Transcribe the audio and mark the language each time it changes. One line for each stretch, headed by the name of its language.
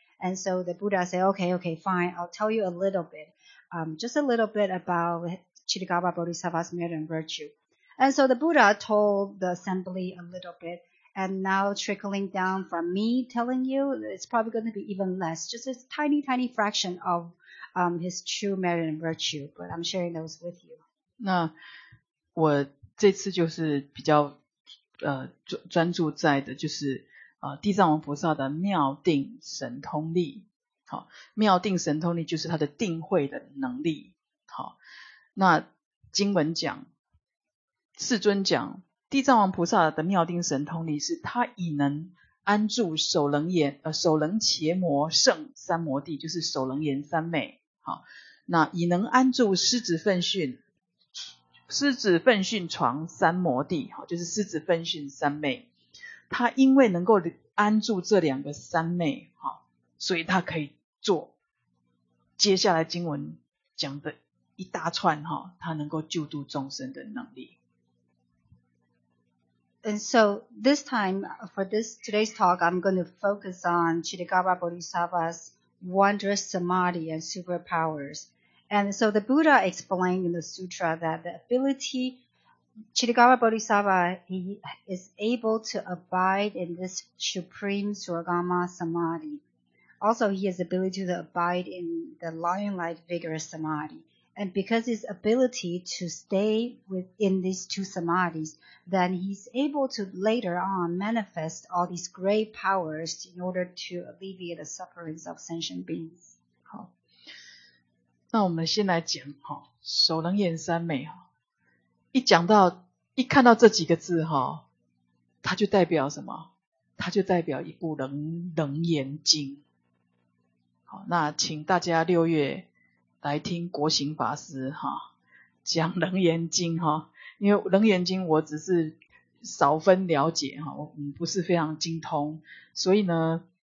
English: And so the Buddha said, okay, fine, I'll tell you a little bit, just a little bit about Chittagarbha Bodhisattva's merit and virtue. And so the Buddha told the assembly a little bit, and now trickling down from me telling you, it's probably going to be even less, just a tiny, tiny fraction of his true merit and virtue, but I'm sharing those with you.
Chinese: 那我这次就是比较专注在的就是地藏王菩萨的妙定神通力。好，妙定神通力就是他的定慧的能力。好，那经文讲，世尊讲，地藏王菩萨的妙定神通力是他已能安住首楞伽摩胜三摩地，就是首楞严三昧。好，那已能安住狮子奋训床三摩地，就是狮子奋训三昧，他因为能够安住这两个三昧，所以他可以做接下来经文讲的一大串他能够救度众生的能力。
English: And so this time for this today's talk I'm going to focus on Chittagarbha Bodhisattva's wondrous samadhi and superpowersAnd so the Buddha explained in the sutra that the ability, Chittagarbha Bodhisattva, he is able to abide in this supreme Surgama Samadhi. Also, he has the ability to abide in the lion-like vigorous Samadhi. And because his ability to stay within these two Samadhis, then he's able to later on manifest all these great powers in order to alleviate the sufferings of sentient beings.
Chinese: 那我们先来讲首楞严三昧，一讲到一看到这几个字它就代表什么，它就代表一部楞严经。好，那请大家六月来听国行法师讲楞严经，因为楞严经我只是少分了解，我不是非常精通，所以呢